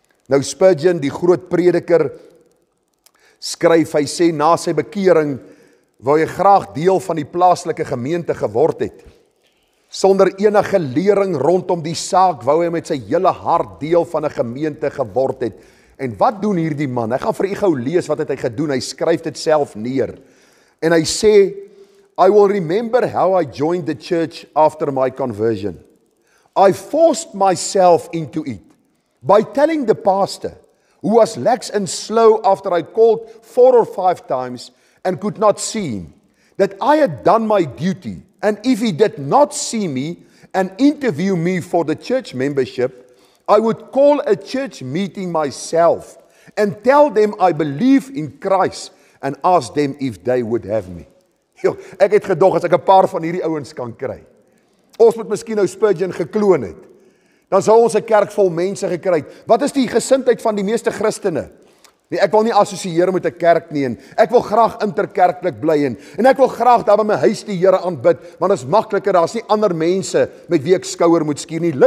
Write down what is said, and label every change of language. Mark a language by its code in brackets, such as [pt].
[af] Nou Spurgeon, die groot prediker, skryf, hy sê, na sy bekering, wou hy graag deel van die plaaslike gemeente geword het. Sonder enige lering rondom die saak, wou hy met sy hele hart deel van 'n gemeente geword het. En wat doen hierdie man? Ek gaan vir u gou lees wat het hy gedoen, hy skryf dit self neer. En hy sê, [en] I will remember how I joined the church after my conversion. I forced myself into it by telling the pastor, who was lax and slow after I called 4 or 5 times and could not see him, that I had done my duty And if he did not see me and interview me for the church membership, I would call a church meeting myself and tell them I believe in Christ and ask them if they would have me. [af] Ek het gedog as ek 'n paar van hierdie ouens kan kry. Ons moet miskien nou Spurgeon gekloon het. Dan sou ons 'n kerk vol mense gekry het. Wat is die gesindheid van die meeste Christene? Nee, ek wil nie assosieer met 'n kerk nie en ek wil graag interkerklik bly en ek wil graag daar by my huis die Here aanbid, want dit is makliker, daar is nie ander mense met wie ek skouer moet skuur nie.